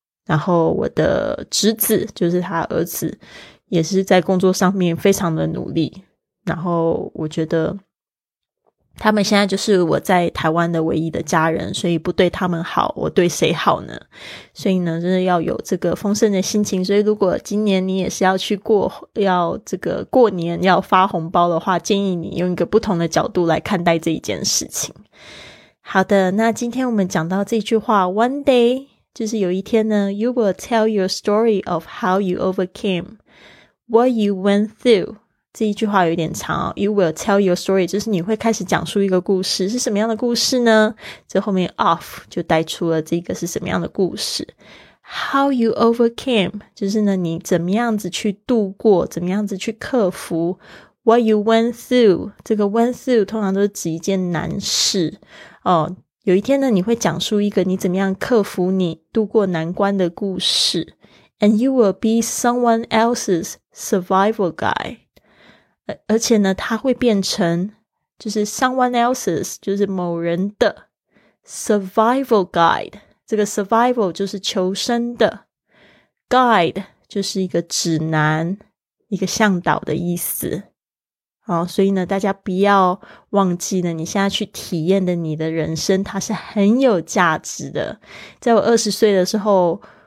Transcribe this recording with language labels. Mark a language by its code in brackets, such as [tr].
[zh] 然后我的侄子就是他儿子也是在工作上面非常的努力，然后我觉得他们现在就是我在台湾的唯一的家人，所以不对他们好我对谁好呢？所以呢真的要有这个丰盛的心情。所以如果今年你也是要去过，要这个过年要发红包的话，建议你用一个不同的角度来看待这一件事情。好的，那今天我们讲到这句话 [en] One day [zh] 就是有一天呢 [en] You will tell your story of how you overcame what you went through。 [zh] 这一句话有点长哦， [en] You will tell your story [zh] 就是你会开始讲述一个故事，是什么样的故事呢？这后面 of 就带出了这个是什么样的故事。 [en] How you overcame [zh] 就是呢你怎么样子去度过，怎么样子去克服。 [en] What you went through [zh] 这个 went through 通常都是指一件难事哦。有一天呢你会讲述一个你怎么样克服你度过难关的故事。 [en] And you will be someone else's survival guide， [zh] 而且呢它会变成就是 [en] someone else's [zh] 就是某人的 [en] survival guide。 [zh] 这个 survival 就是求生的， guide 就是一个指南，一个向导的意思。好，所以呢大家不要忘记呢你现在去体验的你的人生它是很有价值的。在我20岁的时候，